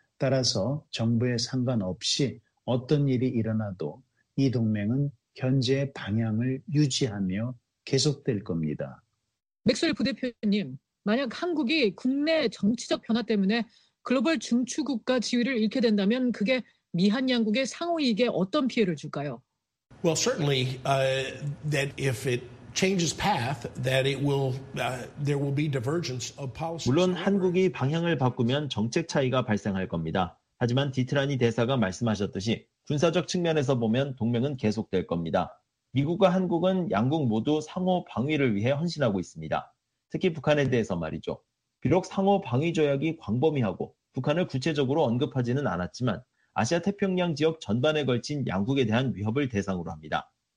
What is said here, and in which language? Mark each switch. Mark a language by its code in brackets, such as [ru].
[ko] 따라서 정부에 상관없이 어떤 일이 일어나도 이 동맹은 견제의 방향을 유지하며 계속될 겁니다. 맥스웰 부대표님, 만약 한국이 국내 정치적 변화 때문에 글로벌 중추국가 지위를 잃게 된다면 그게 미한 양국의 상호 이익에 어떤 피해를 줄까요? [en] Well, certainly that if it changes path, that it will there will be divergence of policy. [ko] 물론 한국이 방향을 바꾸면 정책 차이가 발생할 겁니다. 하지만 디트라니 대사가 말씀하셨듯이 군사적 측면에서 보면 동맹은 계속될 겁니다. 미국과 한국은 양국 모두 상호 방위를 위해 헌신하고 있습니다. 특히 북한에 대해서 말이죠. 비록 상호 방위 조약이 광범위하고 북한을 구체적으로 언급하지는 않았지만 아시아 태평양 지역 전반에 걸친 양국에 대한 위협을 대상으로 합니다.